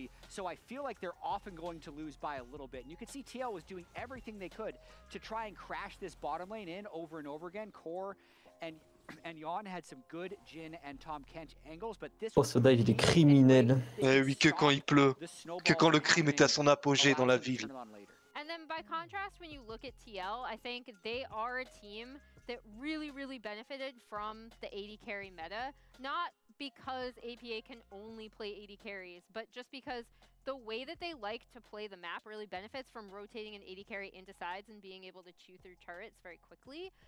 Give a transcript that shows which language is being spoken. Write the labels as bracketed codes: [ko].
[en] So I feel like they're often going to lose by a little bit. And you can see TL was doing everything they could to try and crash this bottom lane in over and over again. Core and Yon had some good Jin and Tom Kench angles, but this was a criminel. [fr] Eh oui, que quand il pleut, que quand le crime est à son apogée dans la ville. [en] And then by contrast, when you look at TL, I think they are a team that really, really benefited from the AD carry meta. Not because APA can only play AD carries, but just because the way that they like to play the map really benefits from rotating an AD carry into sides and being able to chew through turrets very quickly.